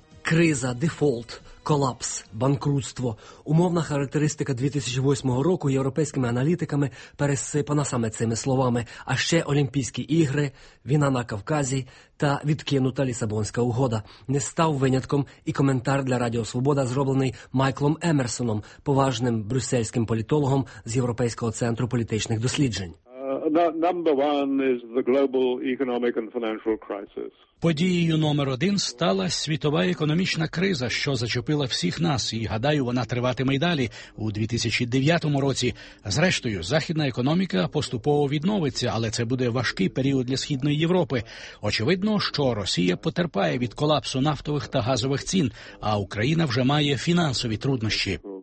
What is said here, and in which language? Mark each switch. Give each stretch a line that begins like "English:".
Ukrainian: Криза, дефолт, колапс, банкрутство – умовна характеристика 2008 року європейськими аналітиками пересипана саме цими словами, а ще Олімпійські ігри, війна на Кавказі та відкинута Лісабонська угода. Не став винятком і коментар для Радіо Свобода, зроблений Майклом Емерсоном, поважним брюссельським політологом з Європейського центру політичних досліджень.
English: Number one is the global economic and financial crisis.
Ukrainian: Подією номер один стала світова економічна криза, що зачепила всіх нас, і, гадаю, вона триватиме й далі у 2009 році. Зрештою, західна економіка поступово відновиться, але це буде важкий період для Східної Європи. Очевидно, що Росія потерпає від колапсу нафтових та газових цін, а Україна вже має фінансові труднощі.